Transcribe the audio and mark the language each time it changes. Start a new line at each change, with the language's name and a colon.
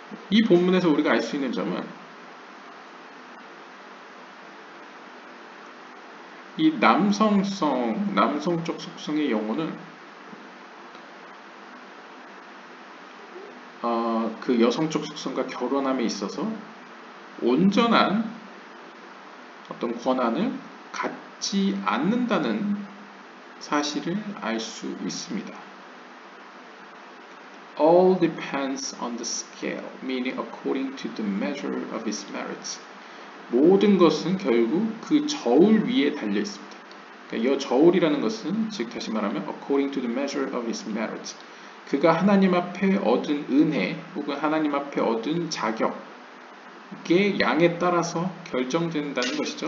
Korean: 이 본문에서 우리가 알 수 있는 점은 이 남성성, 남성적 속성의 영혼은 그 여성적 속성과 결혼함에 있어서 온전한 어떤 권한을 갖지 않는다는 사실을 알 수 있습니다.
English: All depends on the scale, meaning according to the measure of his merits.
Korean: 모든 것은 결국 그 저울 위에 달려 있습니다. 그러니까 이 저울이라는 것은 즉 다시 말하면
English: according to the measure of his merits.
Korean: 그가 하나님 앞에 얻은 은혜 혹은 하나님 앞에 얻은 자격의 양에 따라서 결정된다는 것이죠.